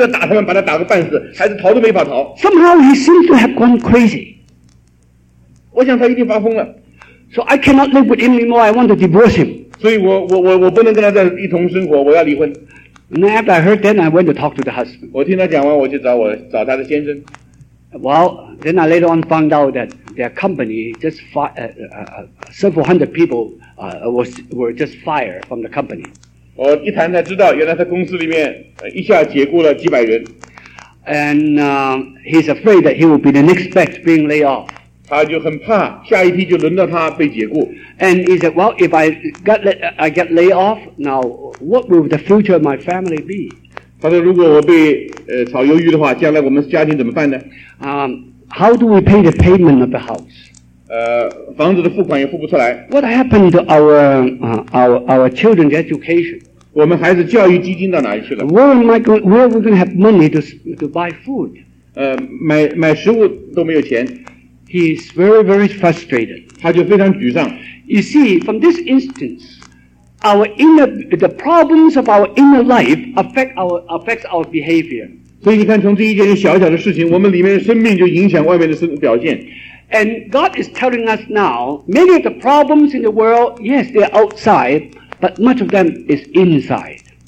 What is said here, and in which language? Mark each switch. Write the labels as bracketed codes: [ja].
[zh] 他说孩子们这样跟他答话，讲话也好好的，忽然一下他脾气发作，就要打他们，把他打个半死，孩子逃都没法逃。 [en] Somehow he seems to have gone crazy. [zh] 我想他一定发疯了。 [en] So I cannot live with him anymore. I want to divorce him. [zh] 所以我不能跟他在一同生活，我要离婚。 [en] And after I heard that, I went to talk to the husband. [zh] 我听他讲完，我就找他的先生。 [en] Well, then I later on found out that their company just several hundred people were just fired from the company. [zh] 我一谈才知道，原来他公司里面一下解雇了几百人。 [en] And he's afraid that he will be the next batch being laid off. [zh] 他就很怕下一批就轮到他被解雇。 [en] And he said, "Well, if I get laid off, now what will the future of my family be?" [zh] 他说如果我被炒鱿鱼的话，将来我们家庭怎么办呢？ [en] How do we pay the payment of the house? [zh] 房子的付款也付不出来。 [en] What happened to our children's education? [zh] 我们孩子教育基金到哪里去了？ [en] Where are we going to have money to buy food? [zh] 买食物都没有钱。 [en] He is very, very frustrated. [zh] 他就非常沮丧。 [en] You see, from this instance, the problems of our inner life affects our behavior. [zh] 所以你看，从这一件小小的事情，我们里面的生命就影响外面的表现。 [en] And God is telling us now, many of the problems in the world, yes, they are outside, but much of them is inside.